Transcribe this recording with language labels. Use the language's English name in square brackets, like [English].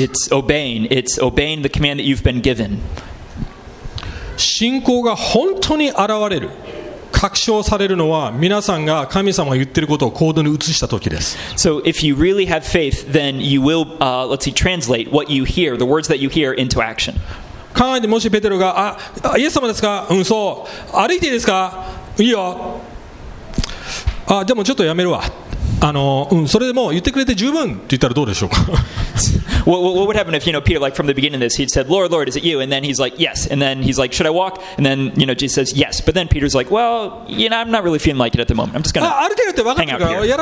[English] It's obeying. It's obeying the command that you've been given. [Japanese] 信仰が本当に現れる、確証されるのは皆さんが神様が言ってることを行動に移した時です。 [English] So if you really have faith, then you will, let's see, translate what you hear, the words that you hear into action. [Japanese] 考えてもしペテロが、あ、イエス様ですか？うん、そう。歩いていいですか？いいよ。あ、でもちょっとやめるわ。それでも言ってくれて十分って言ったらどうでしょうか。 [English] What would happen if, you know, Peter, like from the beginning of this, he'd said, Lord, Lord, is it you? And then he's like, yes. And then he's like, should I walk? And then, you know, Jesus says, yes. But then Peter's like, well, you know, I'm not really feeling like it at the moment. I'm just going to hang out here.